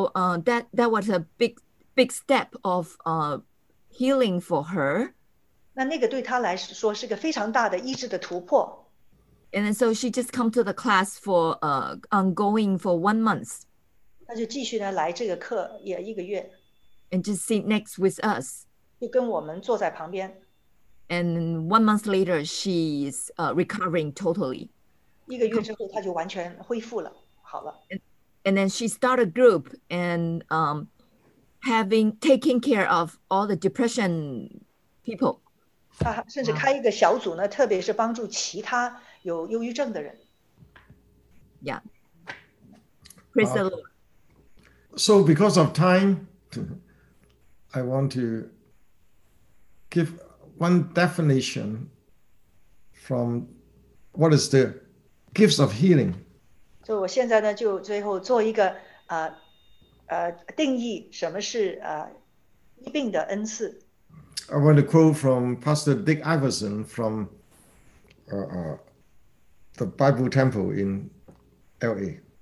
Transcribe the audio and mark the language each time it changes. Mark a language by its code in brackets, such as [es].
[en] a big step of healing for her. [zh] 那个对她来说是个非常大的医治的突破。 And [en] so she just come to the class for ongoing for 1 month. [zh] 她就继续呢来这个课也一个月。 [en] And just sit next with us. [zh] 就跟我们坐在旁边。 And [en] 1 month later, she's recovering totally. [zh] 一个月之后，她就完全恢复了，好了。 And [en] then she started a group and taking care of all the depression people. [zh] 她甚至开一个小组呢， 特别是帮助其他有忧郁症的人。 Yeah. [en] Praise the Lord. So because of time, I want to give one definition from what is the gifts of healing. [zh] So 我现在呢就最后做一个定义什么是医病的恩赐。 [en] I want to quote from Pastor Dick Iverson from the Bible Temple in LA.